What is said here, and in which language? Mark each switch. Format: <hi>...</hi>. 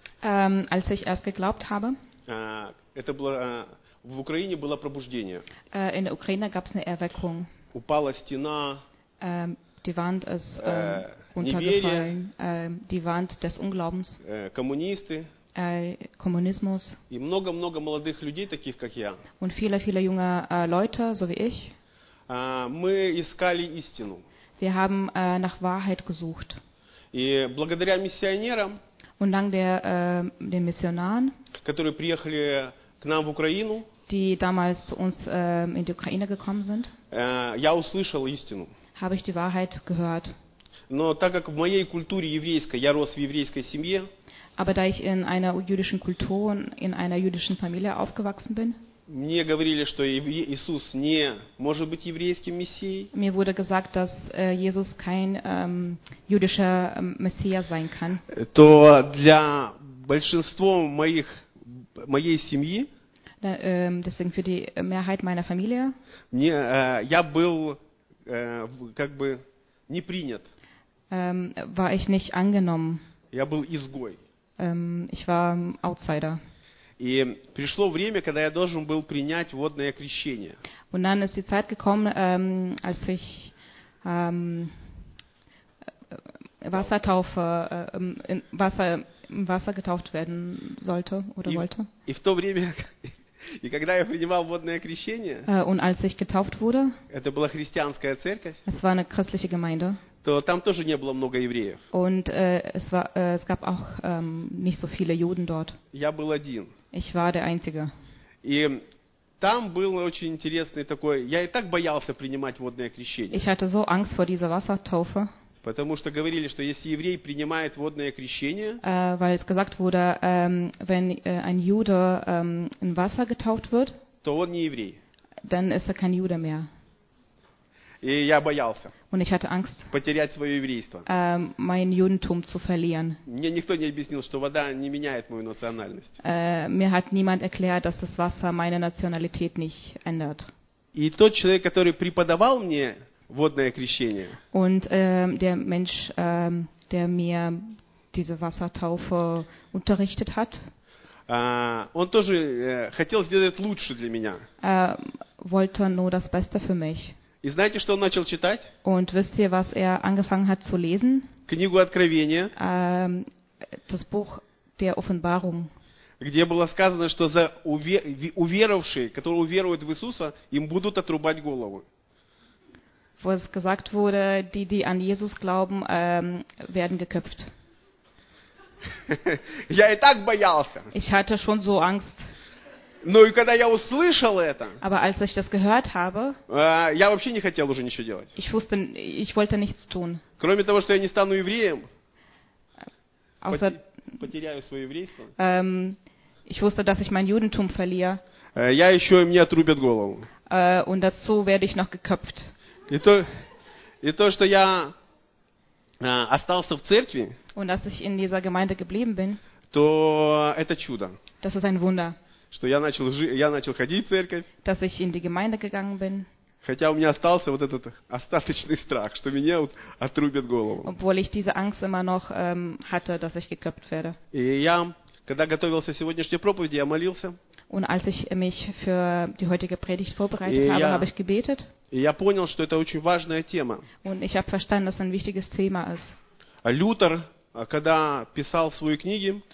<de>als ich erst geglaubt habe,</de> <ru>это было, в Украине было пробуждение.</ru> <de>In der Ukraine gab's eine Erweckung.</de> <ru>Упала стена.</ru> <de>Die Wand ist untergefallen. Die Wand des Unglaubens.</de> <ru>Коммунисты.</ru> <de>Kommunismus.</de> <ru>И много-много молодых людей, таких как я.</ru> <de>Und viele junge Leute, so wie ich.</de> <ru>Мы искали истину.</ru> <de>Wir haben nach Wahrheit gesucht.</de> <ru>И благодаря миссионерам,</ru> <de>und dank den Missionaren,</de> <ru>которые приехали к нам в Украину,</ru> <de>die damals zu uns in die Ukraine gekommen sind, habe ich die Wahrheit gehört.</de> <ru>Но так как в моей культуре еврейской, я рос в еврейской семье.</ru> <de>Aber da ich in einer jüdischen Kultur und in einer jüdischen Familie aufgewachsen bin.</de> <ru>Мне говорили, что Иисус не может быть еврейским мессией.</ru> <de>Mir wurde gesagt, dass Jesus kein jüdischer Messias sein kann.</de> <ru>То для большинства моей семьи.</ru> <de>Deswegen für die Mehrheit meiner Familie.</de> <ru>Я был как бы не принят.</ru> <de>War ich nicht angenommen.</de> <ru>Я был изгой.</ru> <de>Ich war outsider.</de> <ru>И пришло время, когда я должен был принять водное крещение.</ru> <de>Und dann ist die Zeit gekommen, als ich Wassertaufe in Wasser im Wasser getauft werden sollte oder wollte.</de> <ru>И в то время и когда я принимал водное крещение,</ru> <de>und als ich getauft wurde,</de> <ru>это была христианская церковь.</ru> <de>Es war eine christliche Gemeinde.</de> <ru>То там тоже не было много евреев.</ru> <de>Und es war es gab auch nicht so viele Juden dort.</de> <ru>Я был один.</ru> <de>Ich war der Einzige.</de> <ru>И там был очень интересный такой. Я и так боялся принимать водное крещение.</ru> <de>Ich hatte so Angst vor dieser Wassertaufe.</de> <ru>Потому что говорили, что если еврей принимает водное крещение,</ru> <de>weil es gesagt wurde, wenn ein Jude in Wasser getauft wird,</de> <ru>то он не еврей.</ru> <de>Dann ist er kein Jude mehr.</de> <ru>И я боялся.</ru> <de>Und ich hatte Angst,</de> <ru>потерять свое еврейство.</ru> <de>Mein Judentum zu verlieren.</de> <ru>Мне никто не объяснил, что вода не меняет мою национальность.</ru> <de>Mir hat niemand erklärt, dass das Wasser meine Nationalität nicht ändert.</de> <ru>И тот человек, который преподавал мне водное крещение.</ru> <de>Und der Mensch, der mir diese Wassertaufe unterrichtet hat.</de> <ru>Он тоже хотел сделать лучше для меня.</ru> <de>Wollte nur das Beste für mich.</de> <ru>И знаете, что он начал читать?</ru> <de>Und wisst ihr, was er angefangen hat zu lesen?</de> <ru>Книгу Откровения.</ru> <de>Das Buch der Offenbarung.</de> <ru>Где было сказано, что за уверовавшие, которые уверуют в Иисуса, им будут отрубать головы.</ru> <de>Wo es gesagt wurde, die, die an Jesus glauben, werden geköpft.</de> <ru>Я и так боялся.</ru> <de>Ich hatte schon so Angst.</de> <ru>Ну и когда я услышал это,</ru> <de>aber als ich das gehört habe,</de> <ru>я вообще не хотел уже ничего делать.</ru> <de>Ich wusste, ich wollte nichts tun.</de> <ru>Кроме того, что я не стану евреем,</ru> <de>außer,</de> <ru>потеряю свое еврейство.</ru> <de>Ich wusste, dass ich mein Judentum verliere.</de> <ru>Я еще и мне отрубят голову.</ru> <de>Und dazu werde ich noch geköpft.</de> <ru>И то, что я остался в церкви,</ru> <de>und dass ich in dieser Gemeinde geblieben bin,</de> <ru>то это чудо.</ru> <de>Das ist ein Wunder.</de> <ru>Что я начал ходить в церковь.</ru> <de>Dass ich in die Gemeinde gegangen bin.</de> <ru>Хотя у меня остался вот этот остаточный страх, что меня вот отрубят голову.</ru> <de>Obwohl ich diese Angst immer noch hatte, dass ich geköpft werde.</de> <ru>И я, когда готовился к сегодняшней проповеди, я молился.</ru> <de>Und als ich mich für die heutige Predigt vorbereitet habe, habe ich gebetet.</de> <ru>И я понял, что это очень важная тема.</ru> <de>Und ich habe verstanden, dass ein wichtiges Thema ist.</de> <ru>Лютер, когда писал свои книги,</ru>